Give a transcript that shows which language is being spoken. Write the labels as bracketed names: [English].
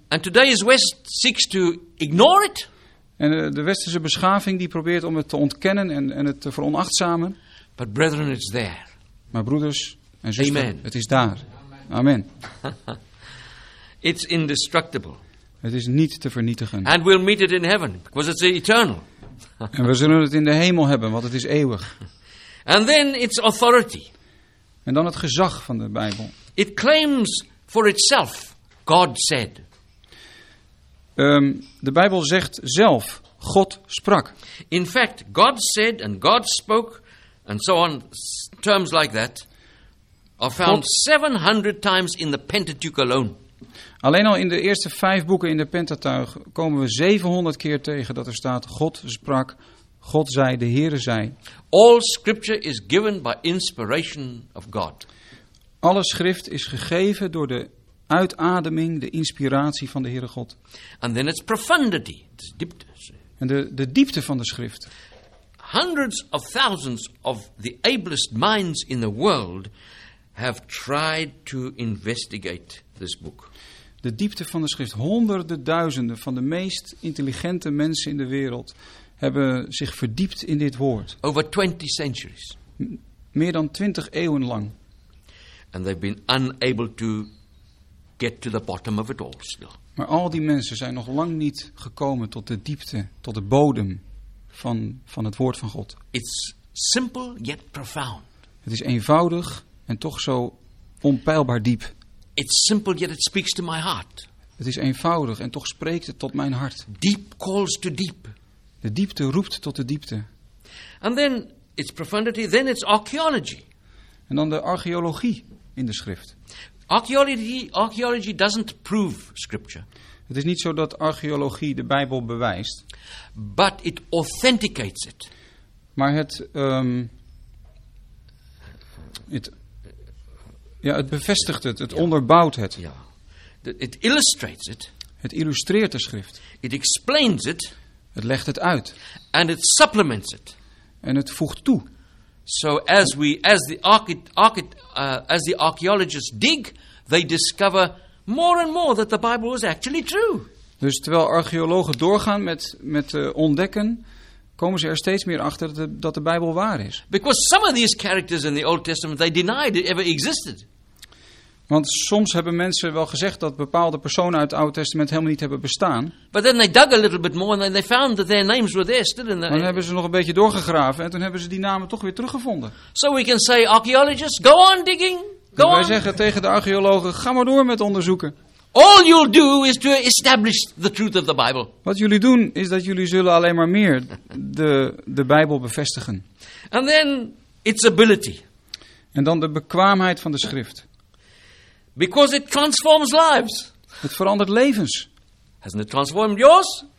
[English] And today's West seeks to ignore it. [Dutch] En de westerse beschaving die probeert om het te ontkennen en het te veronachtzamen. [English] But brethren, it's there. [Dutch] Maar broeders en zusters, amen. Het is daar. Amen. [English] It's indestructible. [Dutch] Het is niet te vernietigen. [English] And we'll meet it in heaven, because it's eternal. [Dutch] En we zullen het in de hemel hebben, want het is eeuwig. [English] And then its authority. [Dutch] En dan het gezag van de Bijbel. [English] It claims for itself, God said. [Dutch] De Bijbel zegt zelf, God sprak. [English] In fact, God said and God spoke and so on, terms like that, are found God 700 times in the Pentateuch alone. [Dutch] Alleen al in de eerste 5 boeken in de Pentateuch komen we 700 keer tegen dat er staat God sprak, God zei, de Heere zei. [English] All scripture is given by inspiration of God. [Dutch] Alle schrift is gegeven door de uitademing, de inspiratie van de Heere God. [English] And then its profundity, its diepte. [Dutch] En de diepte van de schrift. [English] Hundreds of thousands of the ablest minds in the world have tried to investigate this book. [Dutch] De diepte van de schrift. Honderden duizenden van de meest intelligente mensen in de wereld hebben zich verdiept in dit woord. [English] Over 20 centuries. [Dutch] Meer dan 20 eeuwen lang. [English] And they've been unable to get to the bottom of it all still. [Dutch] Maar al die mensen zijn nog lang niet gekomen tot de diepte, tot de bodem van het woord van God. [English] It's simple yet profound. [Dutch] Het is eenvoudig en toch zo onpeilbaar diep. [English] It's simple yet it speaks to my heart. [Dutch] Het is eenvoudig en toch spreekt het tot mijn hart. [English] Deep calls to deep. [Dutch] De diepte roept tot de diepte. [English] And then it's profundity, then it's archaeology. [Dutch] En dan de archeologie in de schrift. [English] Archaeology doesn't prove scripture. [Dutch] Het is niet zo dat archeologie de Bijbel bewijst. [English] But it authenticates it. [Dutch] Maar het, het bevestigt het, onderbouwt het. [English] Ja. It illustrates it. [Dutch] Het illustreert de schrift. [English] It explains it. [Dutch] Het legt het uit. [English] And it supplements it. [Dutch] En het voegt toe. [English] So as we, as the archaeologists dig, they discover more and more that the Bible is actually true. [Dutch] Dus terwijl archeologen doorgaan met ontdekken, komen ze er steeds meer achter dat de Bijbel waar is. [English] Because some of these characters in the Old Testament they denied it ever existed. [Dutch] Want soms hebben mensen wel gezegd dat bepaalde personen uit het Oude Testament helemaal niet hebben bestaan. [English] But then they dug a little bit more and they found that their names were there still. [Dutch] Maar dan hebben ze nog een beetje doorgegraven en toen hebben ze die namen toch weer teruggevonden. [English] So we can say, archaeologists, go on digging. Go [Dutch] wij zeggen tegen de archeologen: ga maar door met onderzoeken. [English] All you'll do is to establish the truth of the Bible. [Dutch] Wat jullie doen is dat jullie zullen alleen maar meer de Bijbel bevestigen. [English] And then its ability. [Dutch] En dan de bekwaamheid van de schrift. [English] Because it transforms lives. [Dutch] Het verandert levens. [English] Hasn't it transformed yours?